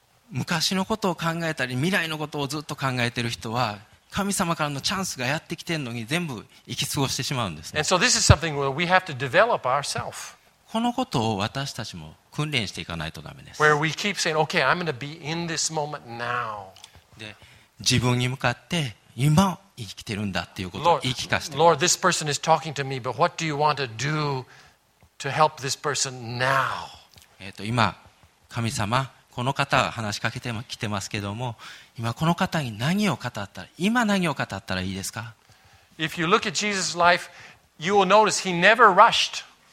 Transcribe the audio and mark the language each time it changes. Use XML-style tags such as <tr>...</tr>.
<ja>昔のことを考えたり未来のことをずっと考えている人は神様からのチャンスがやってきてるのに全部行き過ごしてしまうんですね。</ja> <en>And so this is something where we have to develop ourselves.</en> <ja>このことを私たちも訓練していかないとダメです。</ja> <en>Where we keep saying, okay, I'm going to be in this moment now.</en> <ja>で、自分に向かって今を生きてるんだっていうことを言い聞かせて。</ja> <en>Lord, this person is talking to me, but what do you want to do to help this person now?</en> <ja>今、神様、この方は話しかけてきてますけども、今この方に何を語ったら、今何を語ったらいいですか？</ja> <en>If you look at Jesus' life, you will notice he never rushed.</en>